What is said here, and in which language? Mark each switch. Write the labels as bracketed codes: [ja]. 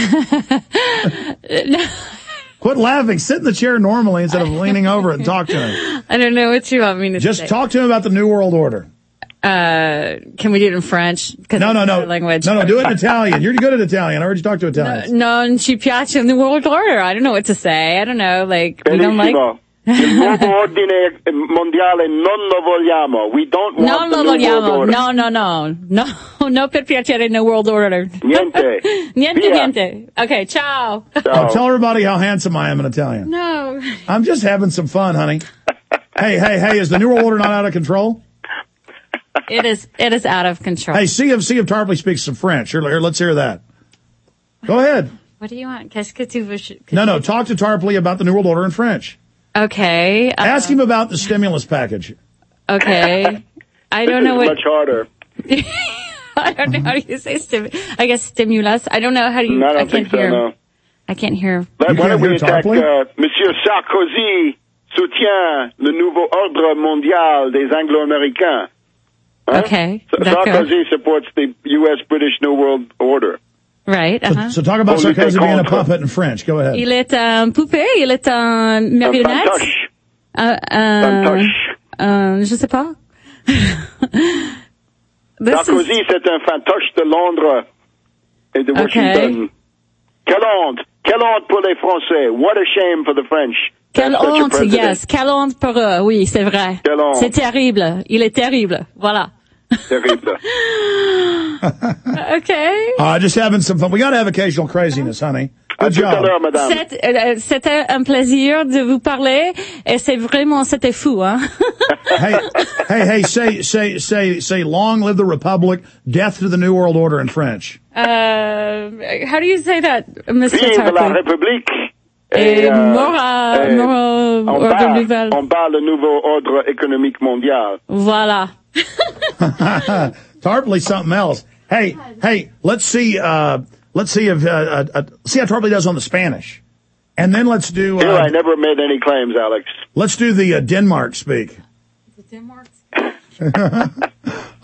[en] No. Quit laughing. Sit in the chair normally instead of leaning over and talk to him. I don't know what you want me to just say. Talk to him about the New World Order. Can we do it in French? No. Language. No, do it in Italian. You're good at Italian. I already talked to Italians. [it] Non ci piace the New World Order. [en] I don't know what to say. I don't know. Like, [it] Benissimo. [en] We don't like. [it] Il nuovo ordine mondiale non lo vogliamo. [en] We don't want the [it] lo [en] new [it] vogliamo. [en] World order. [it] No. No per piacere, new world order. Niente. Okay, ciao. [en] Oh, tell everybody how handsome I am in Italian. No. I'm just having some fun, honey. Hey, is the new world order not out of control? It is out of control. Hey, see if Tarpley speaks some French. Here, let's hear that. Go ahead. What do you want? [fr] Qu'est-ce que tu veux? [en] No, talk to Tarpley about the new world order in French. Okay. Ask him about the stimulus package. Okay. I don't know what. Much harder. I don't know how you say stimulus. I guess stimulus. I don't know how you. No, I don't I can't think hear. So, no. I can't hear. Why don't we attack [fr] Monsieur Sarkozy soutient le nouveau ordre mondial des Anglo-Américains. [en] Huh? Okay. Sarkozy supports the U.S.-British New World Order. Right. Uh-huh. So talk about Sarkozy being a puppet in French. Go ahead. [fr] Il est un poupée. Il est un marionnette. Fantoche. Je sais pas. Sarkozy, c'est un fantoche de Londres et de Washington. Quelle honte. Quelle honte pour les Français. [en] What a shame for the French. [fr] Quelle honte, yes. Quelle honte pour eux. Oui, c'est vrai. Quelle honte. C'est terrible. Il est terrible. Voilà. Okay. [en] Just having some fun. We got to have occasional craziness, honey. Good job. [fr] C'était un plaisir de vous parler, et c'est vraiment c'était fou, hein. [en] Hey, say, long live the Republic, death to the New World Order in French. How do you say that, Monsieur Tarpley? [fr] Vive la République. En bas le nouveau ordre économique mondial. Voilà. [en] Tarpley, something else. Hey, let's see how Tarpley does on the Spanish, and then let's do. I never made any claims, Alex. Let's do the Denmark speak. The Denmark speak.